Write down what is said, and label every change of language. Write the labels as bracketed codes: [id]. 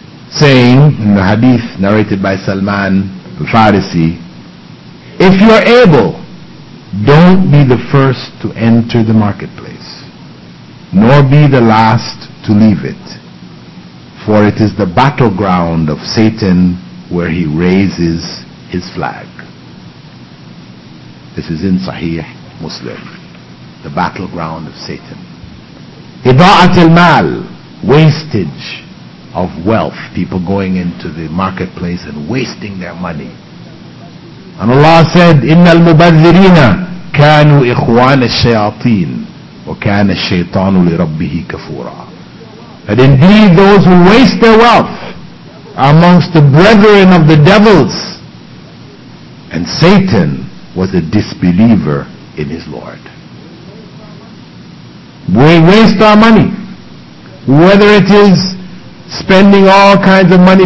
[en] saying in the hadith narrated by Salman the Pharisee, "If you are able, don't be the first to enter the marketplace, nor be the last to leave it, for it is the battleground of Satan where he raises his flag." This is in Sahih Muslim, the battleground of Satan. [ar] إضاعة المال, [en] wastage of wealth, people going into the marketplace and wasting their money. And Allah said, [ar] إِنَّ الْمُبَذِّرِينَ كَانُوا إِخْوَانَ الشَّيَاطِينَ وَكَانَ الشَّيْطَانُ لِرَبِّهِ كَفُورًا. [en] And indeed those who waste their wealth are amongst the brethren of the devils, and Satan was a disbeliever in his Lord. We waste our money, whether it is spending all kinds of money.